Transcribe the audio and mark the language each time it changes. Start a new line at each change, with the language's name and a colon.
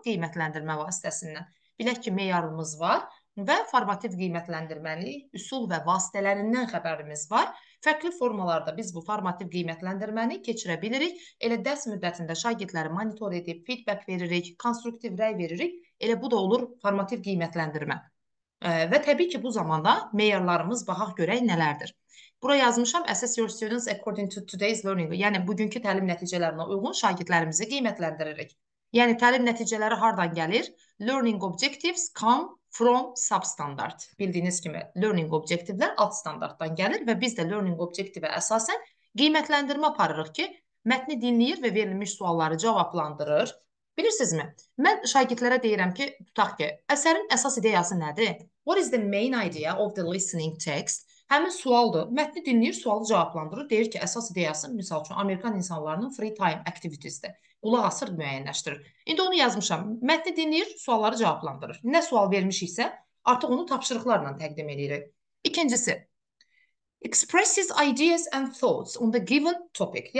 Azerbaijani: Qiymətləndirmə vasitəsindən. Bilək ki, meyarımız var və formativ qiymətləndirmənin üsul və vasitələrindən xəbərimiz var. Fərqli formalarda biz bu formativ qiymətləndirməni keçirə bilirik. Elə dərs müddətində şagirdləri monitor edib feedback veririk, konstruktiv rəy veririk. Elə bu da olur formativ qiymətləndirmə. Və təbii ki, bu zamanda meyarlarımız baxaq görək nələrdir. Bura yazmışam,
English: assess your students according to today's learning.
Azerbaijani: Yəni, bugünkü təlim nəticələrinə uyğun şagirdlərimizi qiymətləndiririk. Yəni, təlim nəticələri hardan gəlir?
English: Learning objectives come from substandard.
Azerbaijani: Bildiyiniz kimi, learning objectivelər alt standartdan gəlir və biz də learning objective-ə əsasən qiymətləndirmə aparırıq ki, mətni dinləyir və verilmiş sualları cavablandırır. Bilirsinizmi? Mən şagirdlərə deyirəm ki, tutaq ki, əsərin əsas ideyası nədir?
English: What is the main idea of the listening text?
Azerbaijani: Həmin sualdır. Mətni dinləyir, sualı cavablandırır. Deyir ki, əsas ideyası, misal üçün, Amerikan insanların free time activities-dir. Qulaq asır, müəyyənləşdirir. İndi onu yazmışam. Mətni dinləyir, sualları cavablandırır. Nə sual vermişiksə, artıq onu tapşırıqlarla təqdim edirik.
English: İkincisi, expresses ideas and thoughts on the given topic.